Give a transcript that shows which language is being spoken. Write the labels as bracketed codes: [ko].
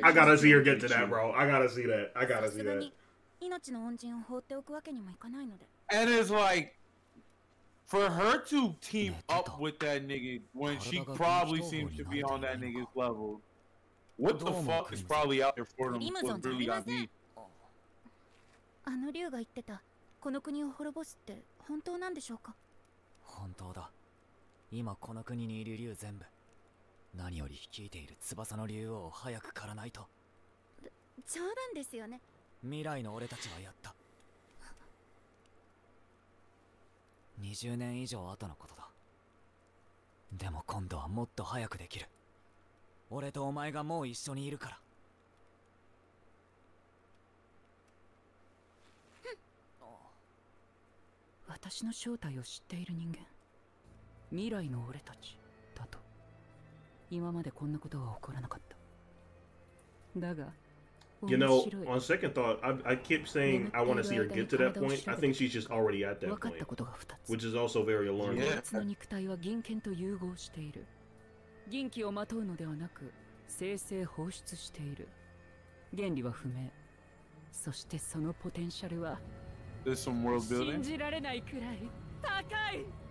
[en] I gotta see her get to that, bro. I gotta see that. [ja] 命の恩人を放っておくわけにもいかないので。 [en] And it's like for her to team up with that nigga when she probably seems to be on that nigga's level. What the fuck is probably out there for them? What really got me? [ja] あの竜が言ってたこの国を滅ぼすって本当なんでしょうか？本当だ。今この国にいる竜全部。何より率いている翼の竜王を早く狩らないと。冗談ですよね。未来の俺たちはやった。 20年以上後のことだ。でも今度はもっと早くできる。俺とお前がもう一緒にいるから。私の正体を知っている人間、未来の俺たちだと。今までこんなことは起こらなかった。だが、 [en] You know, on second thought, I keep saying I want to see her get to that point. I think she's just already at that point, which is also very alarming. [ja] 人間の肉体は銀剣と融合している。銀器をまとうのではなく、生成放出している。原理は不明。そしてそのポテンシャルは。 [en] There's some world building. [ja] 信じられないくらい高い。